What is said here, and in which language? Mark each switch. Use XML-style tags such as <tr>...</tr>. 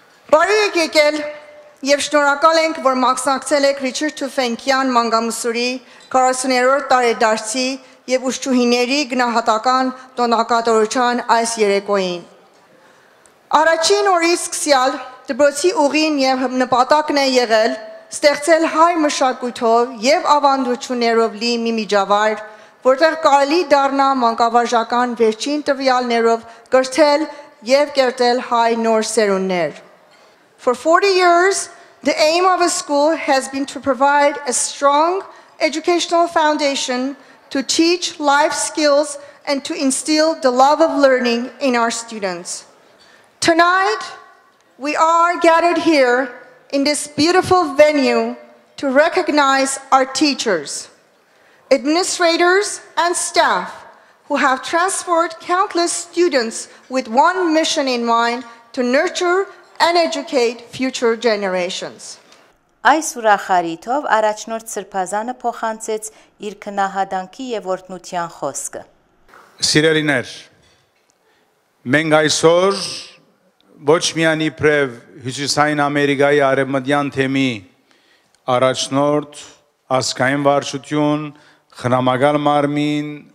<hy>Բարի եկել և շնորհակալ ենք, որ մասնակցել եք Ռիչարդ Թյուֆենկյան մանկամսուրի 40-րդ տարեդարձի և ուսուցչուհիների գնահատական տոնակատարության այս երեկոյին։ Առաջին օրից սկսյալ դպրոցի ուղին և նպատակն է եղել ստեղծել հայ մշակույթով և ավանդություններով լի մի միջավայր, որտեղ կարելի դառնա մանկավարժական վերջին տվյալներով գրթել եւ կերտել հայ նոր սերունդներ.</hy> <en>For 40 years, the aim of a school has been to provide a strong educational foundation to teach life skills and to instill the love of learning in our students. Tonight, we are gathered here in this beautiful venue to recognize our teachers, administrators, and staff who have transported countless students with one mission in mind to nurture and educate future generations.</en> <hy>Այս ուրախարիտով առաջնորդ սրբազանը փոխանցեց իր քնահանդանքի եւ օրհնության խոսքը։ Սիրելիներ, մենք այսօր ոչ միայն իբրև Հյուսիսային Ամերիկայի արևմտյան թեմի առաջնորդ ազգային վարչություն, խնամակալ մարմին,</hy>